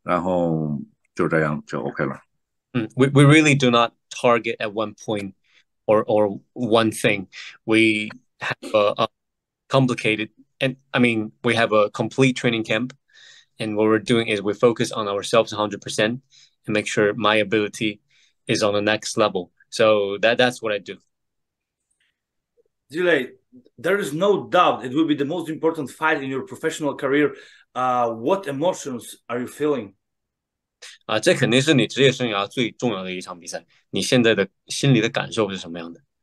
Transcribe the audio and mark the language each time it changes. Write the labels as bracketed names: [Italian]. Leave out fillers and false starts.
[Chinese] 有没有跟教练研究一个特别的战术呢？也没有说去特别去针对是哪一点。然后我们这整个训练营就是主要是在自己，然后把自己做到最好。整个训练营就是这样。然后到现在目前为止也是这样，把自己的心态，然后状态调整到最好，然后把注意力放在自己身上。然后就这样就OK了。 [English] We really do not target at one point or one thing. We have a complicated, and I mean, we have a complete training camp. And what we're doing is we focus on ourselves 100% and make sure my ability is on the next level. So that's what I do. Zhilei, there is no doubt it will be the most important fight in your professional career. What emotions are you feeling? [Chinese] 这肯定是你职业生涯最重要的一场比赛，你现在的心理的感受是什么样的？